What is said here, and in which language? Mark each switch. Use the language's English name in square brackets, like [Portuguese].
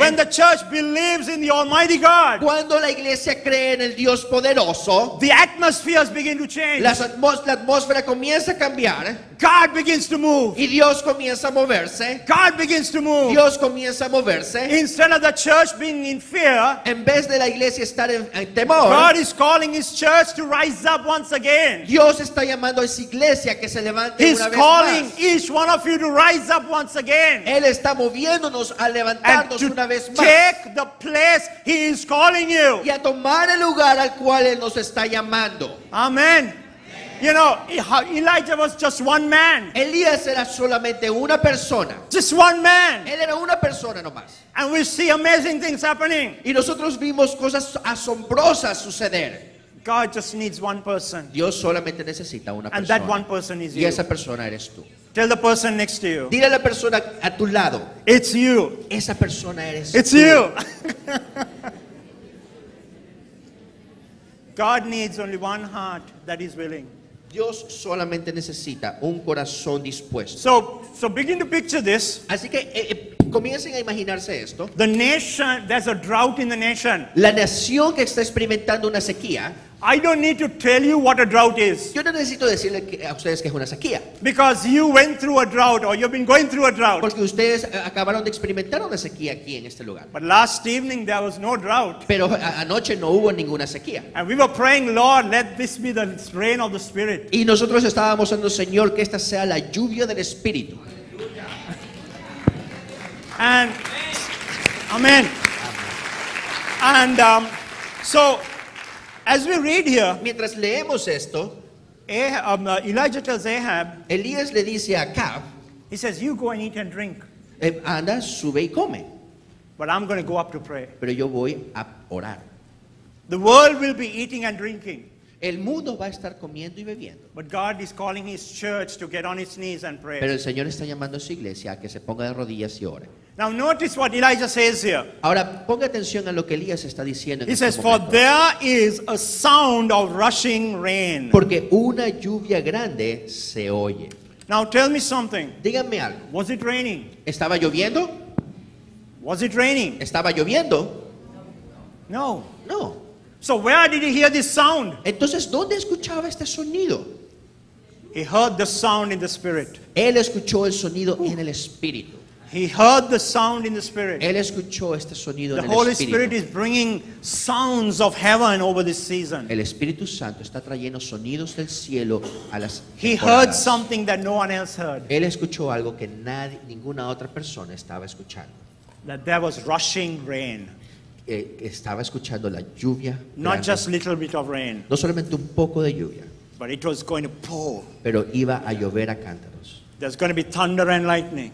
[English] when the church believes in the Almighty God, [Spanish] cuando la iglesia cree en el Dios poderoso, [English] the atmospheres begin to change. [Spanish] La atmósfera comienza a cambiar. [English] God begins to move. [Spanish] Y Dios comienza a moverse. [English] God begins to move. [Spanish] Dios comienza a moverse. [English] Instead of the church being in fear, [Spanish] en vez de la iglesia estar en temor, [English] God is calling his church to rise up once again. [Spanish] Dios está llamando a esa iglesia que se levante [English] He's [Spanish] una vez [English] calling [Spanish] más. [English] Each one of you to rise up once again. [Spanish] Él está moviéndonos a levantarnos una vez más. [English] Take the place he is calling you. [Spanish] Y a tomar el lugar al cual él nos está llamando. [English] Amen. You know, Elijah was just one man. [Spanish] Elías era solamente una persona. [English] Just one man. [Spanish] Él era una persona nomás. [English] And we see amazing things happening. [Spanish] Y nosotros vimos cosas asombrosas suceder. [English] God just needs one person. [Spanish] Dios solamente necesita una [English] and And that one person is [Spanish] y [English] you. [Spanish] Y esa persona eres tú. [English] Tell the person next to you. [Spanish] Dile a la persona a tu lado. [English] It's you. [Spanish] Esa persona eres [English] It's [Spanish] tú. [English] It's you. God needs only one heart that is willing. [Spanish] Dios solamente necesita un corazón dispuesto. [English] So begin to picture this. [Spanish] Así que comiencen a imaginarse esto. [English] The nation, there's a drought in the nation. [Spanish] La nación que está experimentando una sequía. [English] I don't need to tell you what a drought is. [Spanish] Yo no necesito decirle a ustedes que es una sequía. [English] Because you went through a drought, or you've been going through a drought. [Spanish] Porque ustedes acabaron de experimentar una sequía aquí en este lugar. [English] But last evening there was no drought. [Spanish] Pero anoche no hubo ninguna sequía. [English] And we were praying, Lord, let this be the rain of the Spirit. [Spanish] Y nosotros estábamos orando, Señor, que esta sea la lluvia del Espíritu. [English] And amen. And so as we read here, [Spanish] mientras leemos esto, [English] Elijah tells Ahab, [Spanish] Elías le dice a Acab, [English] he says, you go and eat and drink. [Spanish] Anda, sube y come. [English] But I'm going to go up to pray. [Spanish] Pero yo voy a orar. [English] The world will be eating and drinking. [Spanish] El mundo va a estar comiendo y bebiendo. [English] But God is calling his church to get on its knees and pray. [Spanish] Pero el Señor está llamando a su iglesia a que se ponga de rodillas y ore. [English] Now notice what Elijah says here. [Spanish] Ahora ponga atención a lo que Elías está diciendo. [English] He says, "For there is a sound of rushing rain." [Spanish] Porque una lluvia grande se oye. [English] Now tell me something. [Spanish] Díganme algo. [English] Was it raining? [Spanish] ¿Estaba lloviendo? [English] Was it raining? [Spanish] ¿Estaba lloviendo? [English] No. [Spanish] No. [English] So where did he hear this sound? [Spanish] Entonces, ¿dónde escuchaba este sonido? [English] He heard the sound in the spirit. [Spanish] Él escuchó el sonido en el espíritu. [English] He heard the sound in the spirit. [Spanish] Él escuchó este sonido [English] the [Spanish] en [English] Holy [Spanish] el espíritu. [English] Spirit is bringing sounds of heaven over this season. [Spanish] El Espíritu Santo está trayendo sonidos del cielo a las [English] He heard something that no one else heard. [Spanish] Él escuchó algo que nadie, ninguna otra persona estaba escuchando. [English] That there was rushing rain. [Spanish] Estaba escuchando la lluvia. [English] Not just little bit of rain. [Spanish] No solamente un poco de lluvia. [English] But it was going to pour. [Spanish] Pero iba a llover a cántaros. [English] There's going to be thunder and lightning.